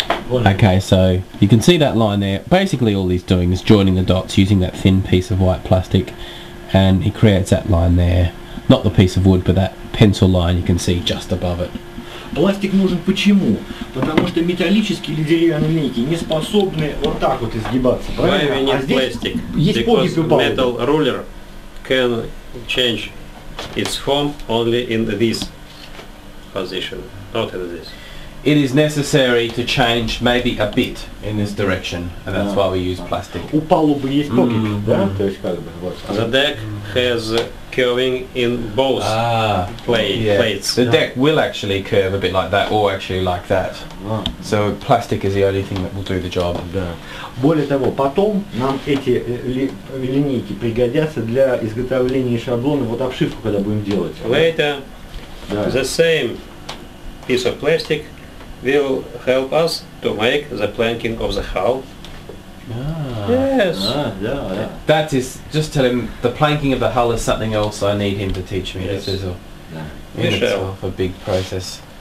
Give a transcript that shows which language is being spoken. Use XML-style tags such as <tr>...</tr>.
<en>Okay, so you can see that line there. Basically all he's doing is joining the dots using that thin piece of white plastic, and he creates that line there. Not the piece of wood, but that pencil line you can see just above it.</en> <ru>Пластик нужен почему? Потому что металлические или деревянные линейки не способны вот так вот изгибаться, правильно?</ru> <en>Why we need plastic?</en> <ru>Есть погиб и балл.</ru> <en>Metal ruler can change its form only in this position, not in this. It is necessary to change maybe a bit in this direction, and that's why we use plastic.</en> <ru>У палубы есть погиб, да? То есть как бы вот.</ru> <en>The deck has curving in both plates. The deck will actually curve a bit like that, or actually like that. So plastic is the only thing that will do the job.</en> <ru>Более того, потом нам эти линейки пригодятся для изготовления шаблона, вот обшивку, когда будем делать.</ru> <en>Later, the same piece of plastic will help us to make the planking of the hull. That is, just tell him, the planking of the hull is something else I need him to teach me. Yes. This is a big process.</en>